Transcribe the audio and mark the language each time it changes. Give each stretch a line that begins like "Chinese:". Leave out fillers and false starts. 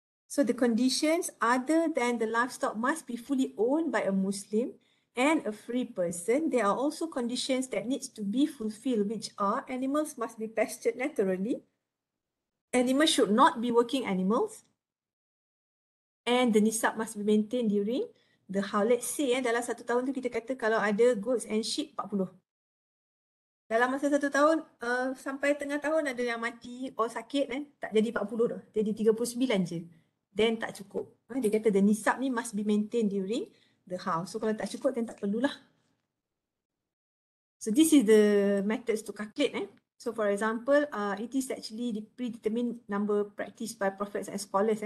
English: So the conditions other than the livestock must be fully owned by a Muslim and a free person. There are also conditions that needs to be fulfilled, which are animals must be pastured naturally. Animals should not be working animals. And the nisab must be maintained during the how.
Malay: Let's say dalam satu tahun tu kita kata kalau ada goats and sheep 40. Dalam masa satu tahun, sampai tengah tahun ada yang mati or sakit, tak jadi 40 dah. Jadi 39 je. Then tak cukup.
English: Dia kata the nisab ni must be maintained during the how. So kalau tak cukup, then tak perlulah. So this is the methods to calculate. So for example, it is actually the predetermined number practiced by prophets and scholars.